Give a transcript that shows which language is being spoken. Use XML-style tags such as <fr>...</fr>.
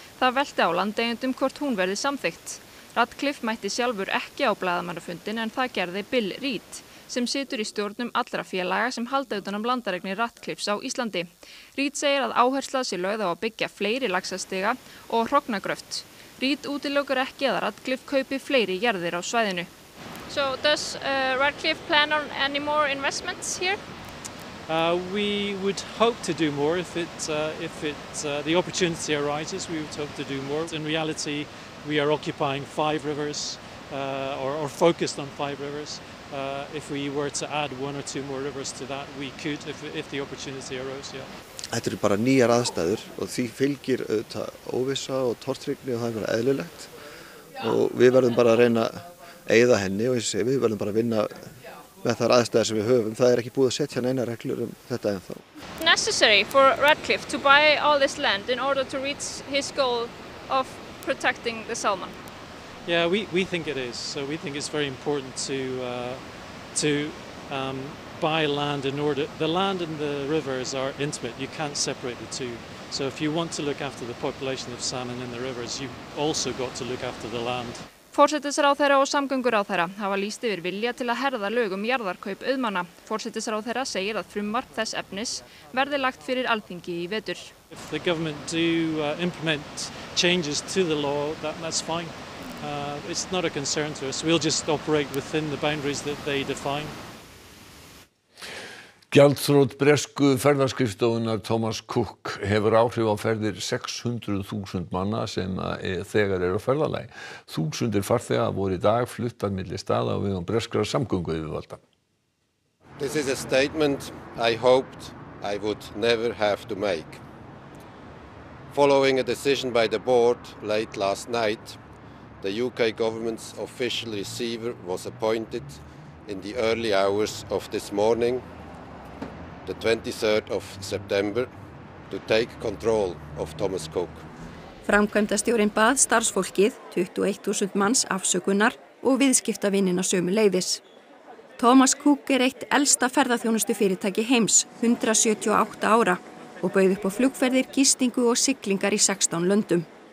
<is>Það velti á landeigendum hvort hún verði samþykkt. Radcliffe mætti sjálfur ekki á blaðamannafundin en það gerði Bill Reid sem situr í stjórnum allra félaga sem halda utanum landareignir Radcliffs á Íslandi. Reid segir að áhersla sé lögð á að byggja fleiri laxastiga og hrognagröft. Reid útilokar ekki að Radcliffe kaupi fleiri jarðir á svæðinu.</is> <en>So does Radcliffe plan on any more investments here? We would hope to do more if the opportunity arises. We would hope to do more. In reality, we are occupying five rivers or focused on five rivers. If we were to add one or two more rivers to that, we could if the opportunity arose, yeah.</en> <is>Þetta eru bara nýjar aðstæður og því fylgir auðvitað óvissa og tortryggni og það er eðlilegt. Og við verðum bara að reyna eyða henni og segja, við verðum bara að vinna með þar aðstæðar sem við höfum. Það ekki búið að setja neina reglur þetta ennþá.</is> <en>Necessary for Radcliffe to buy all this land in order to reach his goal of protecting the salmon? Yeah, we think it is. So we think it's very important to buy land in order. The land and the rivers are intimate. You can't separate the two. So if you want to look after the population of salmon in the rivers, you also got to look after the land.</en> <is>Forsætisráðherra og samgönguráðherra hafa lýst yfir vilja til að herða lög jarðarkaup auðmanna. Forsætisráðherra segir að frumvarp þess efnis verði lagt fyrir Alþingi í vetur.</is> <en>If the government do implement changes to the law, that's fine. It's not a concern to us. We'll just operate within the boundaries that they define.</en> <is>Gjaldþrót bresku ferðaskrifstofunar Thomas Cook hefur áhrif á ferðir 600.000 manna sem þegar eru á ferðalagi. Þúsundir farþega voru í dag fluttar milli staða og vegum breskra samgöngu yfirvalda.</is> <en>This is a statement I hoped I would never have to make. Following a decision by the board late last night, the UK government's official receiver was appointed in the early hours of this morning. The 23rd of September to take control of Thomas Cook.</en> <is>Framkvæmdastjórinn bað starfsfólkið 21.000 manns afsökunar og viðskiptavinina sömu leiðis. Thomas Cook eitt elsta ferðaþjónustu fyrirtæki heims, 178 ára og bauð upp á flugferðir, gistingu og siglingar í 16 löndum.</is>